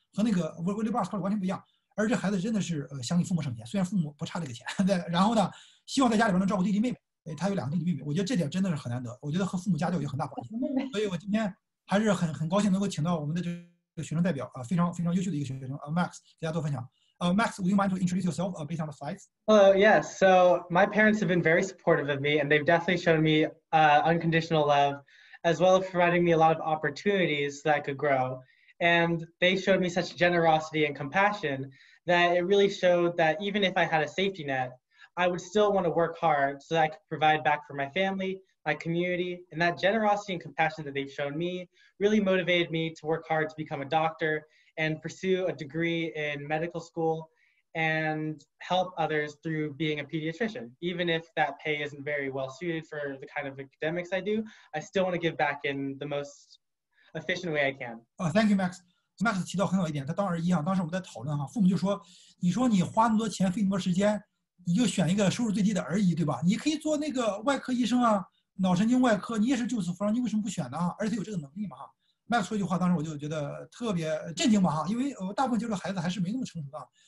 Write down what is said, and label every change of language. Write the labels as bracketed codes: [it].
[zh] 和那个 Willie Bars 完全不一样，而这孩子真的是想给父母省钱，虽然父母不差这个钱，然后呢，希望在家里边能照顾弟弟妹妹，他有两个弟弟妹妹，我觉得这点真的是很难得，我觉得和父母家教有很大关系，所以我今天还是很高兴能够请到我们的这个学生代表非常非常优秀的一个学生Max 给大家做分享。 [en] Max，would you mind to introduce yourself based on the slides? Hello, yes. So my parents have been very supportive of me, and they've definitely shown me unconditional love, as well as providing me a lot of opportunities that I could grow. And they showed me such generosity and compassion that it really showed that even if I had a safety net, I would still want to work hard so that I could provide back for my family, my community. And that generosity and compassion that they've shown me really motivated me to work hard to become a doctor and pursue a degree in medical school and help others through being a pediatrician. Even if that pay isn't very well suited for the kind of academics I do, I still want to give back in the most efficient way I can. Thank you, Max. [zh] Max 提到很好一点，他当然一样，当时我们在讨论哈，父母就说，你说你花那么多钱费那么多时间，你就选一个收入最低的而已，对吧？你可以做那个外科医生啊，脑神经外科，你也是救死扶伤，你为什么不选呢？而且有这个能力嘛哈。 Max 说一句话，当时我就觉得特别震惊嘛哈，因为大部分接触孩子还是没那么成熟的。